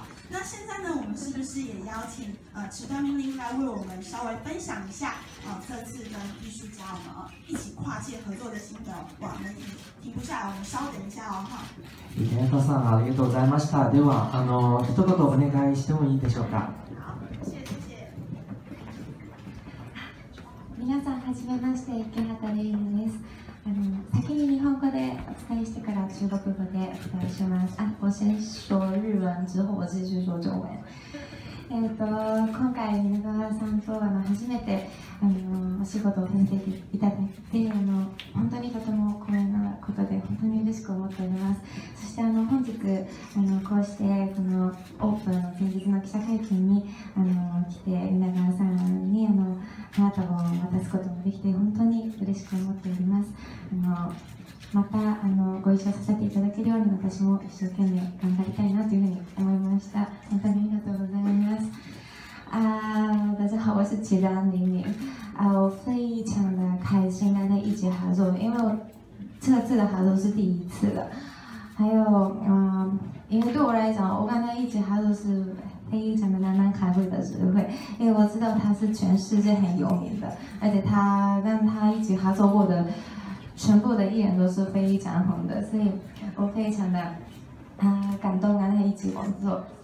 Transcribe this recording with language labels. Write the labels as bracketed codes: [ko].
[zh] 那现在呢，我们是不是也邀请池端明伶来为我们稍微分享一下这次跟艺术家我们一起跨界合作的心得？哇，我们停不下来，我们稍等一下哦哈。 [ja] 池端明伶さん、ありがとうございました。では一言お願いしてもいいでしょうか？ [zh] 好，谢谢谢谢。 [ja] 皆さん、はじめまして、池端玲奈です。先に日本語でお伝えしてから中国語でお伝えします。 [zh] あ、我先说日文之后，我继续说中文。 [ja] 今回蜷川さんと初めてお仕事をさせていただいて、本当にとても光栄なことで本当に嬉しく思っております。そして本日こうしてこのオープン前日の記者会見に来て蜷川さんに花束を渡すこともできて本当に嬉しく思っております。またご一緒させていただけるように私も一生懸命頑張りたいなというふうに思いました。本当にありがとうございます。 [zh] 啊，大家好，我是池端明伶。啊，我非常的开心跟他一起合作，因为我这次的合作是第一次的。还有因为对我来讲，我跟他一起合作是非常的难能可贵的机会，因为我知道他是全世界很有名的，而且他跟他一起合作过的全部的艺人都是非常红的，所以我非常的感动跟他一起工作。